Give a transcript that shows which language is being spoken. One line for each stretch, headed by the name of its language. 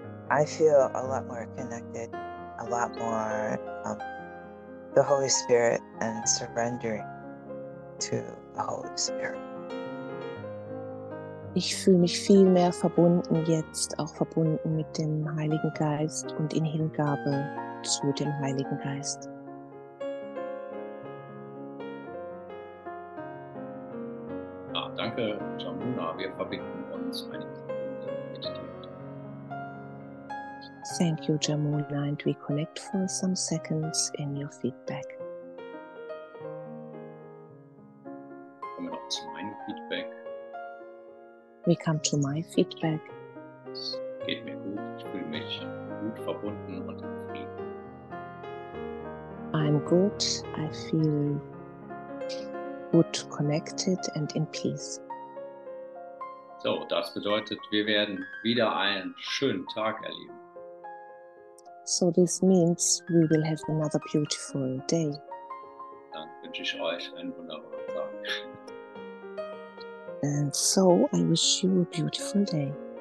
English: I feel a lot more connected, a lot more the Holy Spirit, and surrendering to the Holy Spirit.
German: Ich fühle mich viel mehr verbunden jetzt, auch verbunden mit dem Heiligen Geist und in Hingabe zu dem Heiligen Geist. Ah, danke, Jamuna. Wir verbinden uns einige mit dir.
English: Thank you, Jamuna, and we connect for some seconds in your feedback.
German: Kommen wir noch zu meinem Feedback.
English: We come to my feedback.
German: Es geht mir gut. Ich fühle mich gut verbunden und in Frieden.
English: I'm good. I feel good, connected and in peace.
German: So, das bedeutet, wir werden wieder einen schönen Tag erleben.
English: So this means we will have another beautiful day.
German: Dann wünsche ich euch einen wunderbaren Tag.
English: And so I wish you a beautiful day.